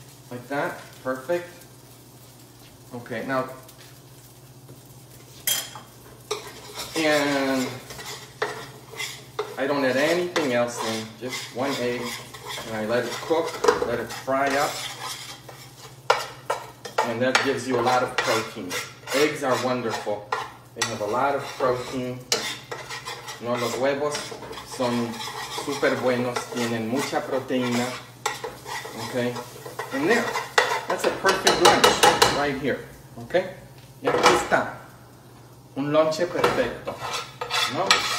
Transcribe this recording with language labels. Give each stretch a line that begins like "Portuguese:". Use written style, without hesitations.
English: Like that, perfect. Okay, now, and I don't add anything else in, just one egg, and I let it cook, let it fry up, and that gives you a lot of protein. Eggs are wonderful. They have a lot of protein.
Spanish: No, los huevos son super buenos, tienen mucha proteína.
English: Okay, and there, that's a perfect lunch right here.
Spanish: Okay, y aquí está. Un lunch perfecto, ¿no?